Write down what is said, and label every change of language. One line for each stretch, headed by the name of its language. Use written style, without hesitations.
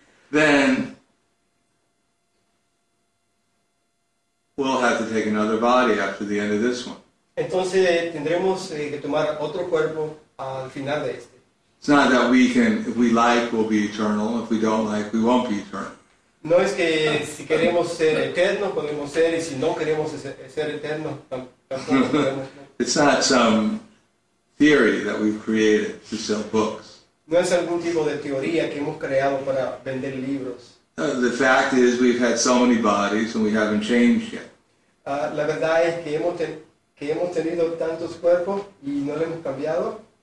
English: Then we'll have to take another body after the end of this one.
Spanish: Entonces tendremos que tomar otro cuerpo al final de este.
English: It's not that we can, if we like, we'll be eternal. If we don't like, we won't be eternal.
Spanish: No es que si queremos ser eternos podemos ser, y si no queremos ser eternos tampoco podemos ser.
English: It's not some theory that we've created to sell books.
Spanish: No es algún tipo de teoría que hemos creado para vender libros.
English: The fact is we've had so many bodies and we haven't changed yet.
Spanish: La verdad es que hemos tenido tantos cuerpos y no lo hemos cambiado.